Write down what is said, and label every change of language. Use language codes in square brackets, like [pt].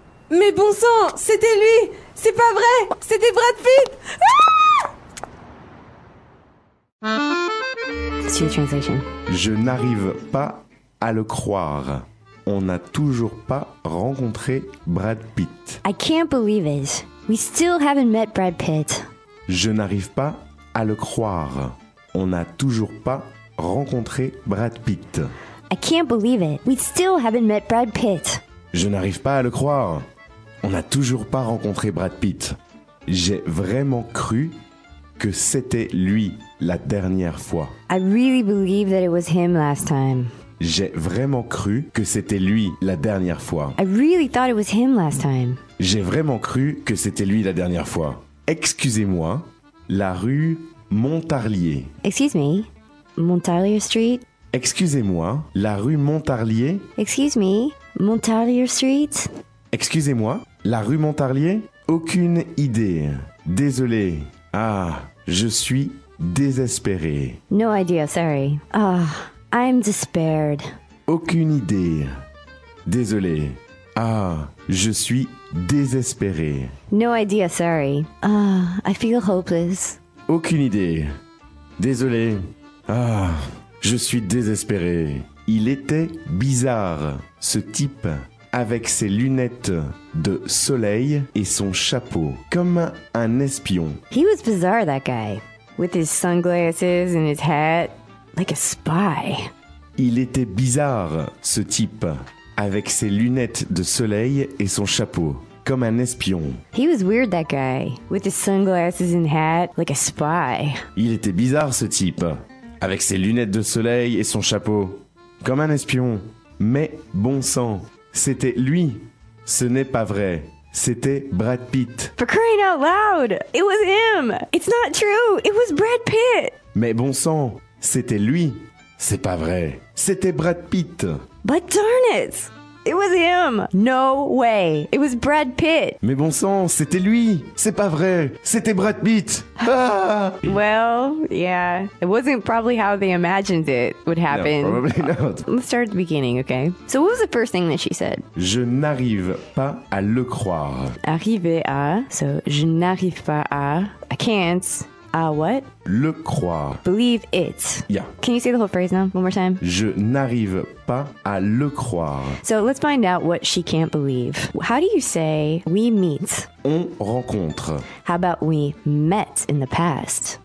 [fr] Mais bon sang, c'était lui! C'est pas vrai! C'était Brad Pitt! Ah! [en] See the translation. [fr] Je n'arrive pas à le croire. On n'a toujours pas rencontré Brad Pitt. [en] I can't believe it. We still haven't met Brad Pitt. [fr] Je n'arrive pas à le croire. On n'a toujours pas rencontré Brad Pitt. [en] I can't believe it. We still haven't met Brad Pitt. [fr] Je n'arrive pas à le croire. On n'a toujours pas rencontré Brad Pitt. J'ai vraiment cru que c'était lui la dernière fois. [en] I really believe that it was him last time. [fr] J'ai vraiment cru que c'était lui la dernière fois. [en] I really thought it was him last time. [fr] J'ai vraiment cru que c'était lui la dernière fois. Excusez-moi, la rue Montarlier. [en] Excuse me, Montarlier Street. [fr] Excusez-moi, la rue Montarlier. [en] Excuse me, Montarlier Street. [fr] Excusez-moi, la rue Montarlier. Aucune idée. Désolé. Ah, je suis désespéré. [en] No idea, sorry. Ah, I'm despaired. [fr] Aucune idée. Désolé. Ah, je suis désespéré. [en] No idea, sorry. Ah, I feel hopeless. [fr] Aucune idée. Désolé. Ah, je suis désespéré. Il était bizarre, ce type, avec ses lunettes de soleil et son chapeau, comme un espion. [en] He was bizarre, that guy. With his sunglasses and his hat, like a spy. [fr] Il était bizarre, ce type, avec ses lunettes de soleil et son chapeau, comme un espion. [en] He was weird, that guy. With his sunglasses and hat, like a spy. [fr] Il était bizarre, ce type, avec ses lunettes de soleil et son chapeau, comme un espion. Mais bon sang, c'était lui. Ce n'est pas vrai. C'était Brad Pitt. [en] For crying out loud! It was him! It's not true! It was Brad Pitt! [fr] Mais bon sang, c'était lui. C'est pas vrai. C'était Brad Pitt. [en] But darn it! It was him. No way. It was Brad Pitt. [fr] Mais bon sang, c'était lui. C'est pas vrai. C'était Brad Pitt. [en] Ah. Well, yeah. It wasn't probably how they imagined it would happen. No, probably not. Let's start at the beginning, okay? So what was the first thing that she said? [fr] Je n'arrive pas à le croire. Arriver à. [en] So [fr] je n'arrive pas à. [en] I can't. What? [fr] Le croire. [en] Believe it. Yeah. Can you say the whole phrase now, one more time? [fr] Je n'arrive pas à le croire. [en] So let's find out what she can't believe. How do you say we meet? [fr] On rencontre. [en] How about we met in the past?